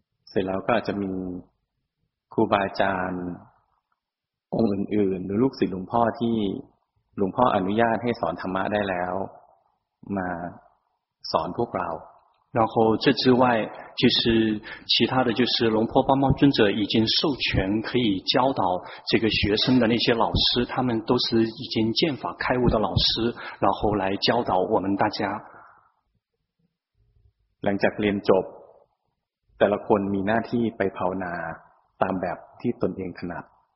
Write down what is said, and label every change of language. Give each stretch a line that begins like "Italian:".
Chinese: 所以
Thai: เราก็จะมีครูบาอาจารย์องค์อื่นๆหรือลูกศิษย์หลวงพ่อที่หลวงพ่ออนุญาตให้สอนธรรมะได้แล้วมาสอนพวกเรา
Chinese: 然后这之外就是其他的就是龙婆巴摩尊者已经授权可以教导这个学生的那些老师他们都是已经见法开悟的老师然后来教导我们大家
Thai: หลังจากเรียนจบแต่ละคนมีหน้าที่ไปภาวนาตามแบบที่ตนเองถนัด